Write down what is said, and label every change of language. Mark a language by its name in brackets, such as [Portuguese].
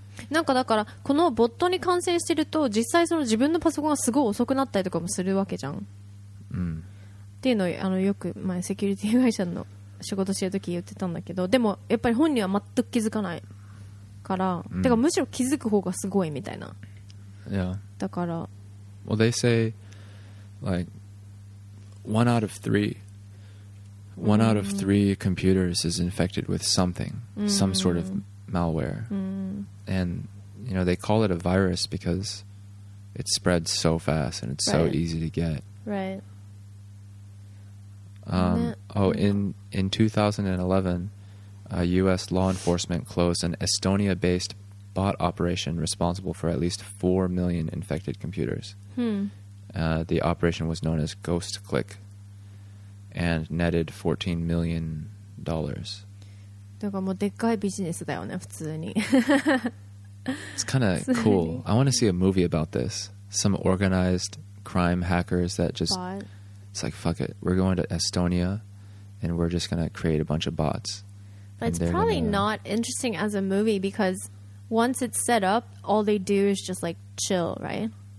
[Japanese] なんかだからこのボットに感染してると実際その自分のパソコンがすごい遅くなったりとかもするわけじゃん。っていうのをよく前セキュリティ会社の仕事してる時言ってたんだけど、でもやっぱり本人は全く気づかないから、てかむしろ気づく方がすごいみたいな。 [English] Yeah. [Japanese] だから。 [English] Well, they say like one out of three computers is infected with something, some sort of malware. And, you know, they call it a virus because it spreads so fast and it's so easy to get. Right. In 2011, U.S. law enforcement closed an Estonia-based bot operation responsible for at least 4 million infected computers. The operation was known as Ghost Click. And netted $14 million. [Japanese] だからもうでっかいビジネスだよね普通に。 [English] It's kind of cool. I want to see a movie about this. Some organized crime hackers that just it's like fuck it, we're going to Estonia, and we're just gonna create a bunch of bots. But it's probably not interesting as a movie because once it's set up, all they do is just like chill, right?